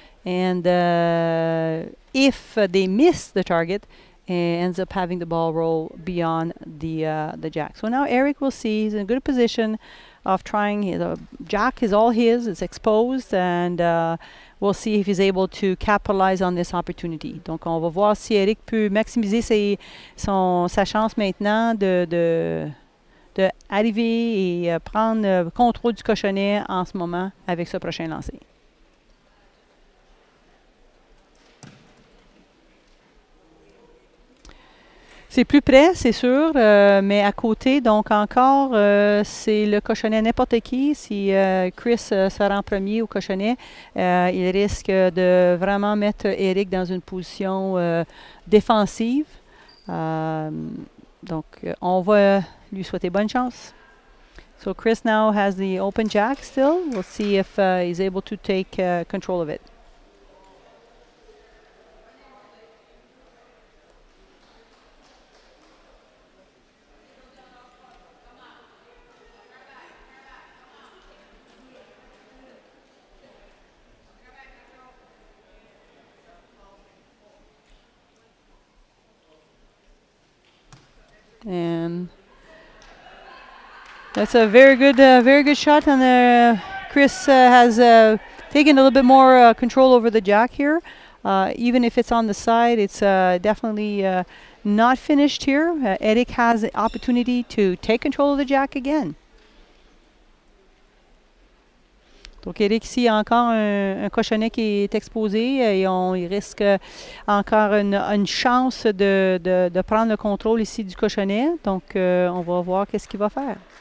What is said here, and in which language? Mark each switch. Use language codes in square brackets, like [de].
[en] And if they miss the target, it ends up having the ball roll beyond the jack. So now Eric will see he's in a good position of trying his Jack is all his, it's exposed, and we'll see if he's able to capitalize on this opportunity. [fr] Donc, on va voir si Éric peut maximiser sa chance maintenant d'arriver et prendre le contrôle du cochonnet en ce moment avec ce prochain lancer. C'est plus près, c'est sûr, mais à côté, donc encore, c'est le cochonnet n'importe qui. Si Chris se rend premier au cochonnet, il risque de vraiment mettre Éric dans une position défensive. Donc, on va lui souhaiter bonne chance. [en] So Chris now has the open jack still. We'll see if he's able to take control of it. And that's a very good shot. And Chris has taken a little bit more control over the jack here. Even if it's on the side, it's definitely not finished here. Éric has the opportunity to take control of the jack again. [fr] Donc, Éric, ici, encore un cochonnet qui est exposé et il risque encore une chance de prendre le contrôle ici du cochonnet. Donc, on va voir qu'est-ce qu'il va faire.